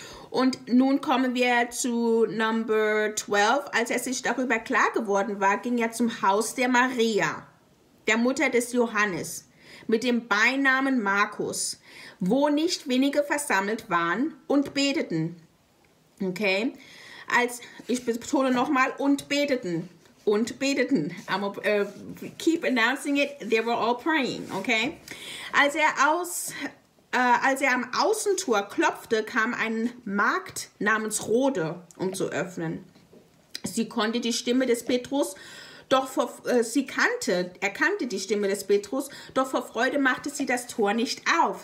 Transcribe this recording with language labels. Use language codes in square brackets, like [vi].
[de] Und nun kommen wir zu [en] Number 12. [de] Als er sich darüber klar geworden war, ging er zum Haus der Maria, der Mutter des Johannes, mit dem Beinamen Markus, wo nicht wenige versammelt waren und beteten. Okay. Als, ich betone nochmal, und beteten. [en] I'm keep announcing it, they were all praying, okay? [de] Als er am Außentor klopfte, kam ein Magd namens Rode, um zu öffnen. Sie konnte die Stimme des Petrus, erkannte die Stimme des Petrus, doch vor Freude machte sie das Tor nicht auf.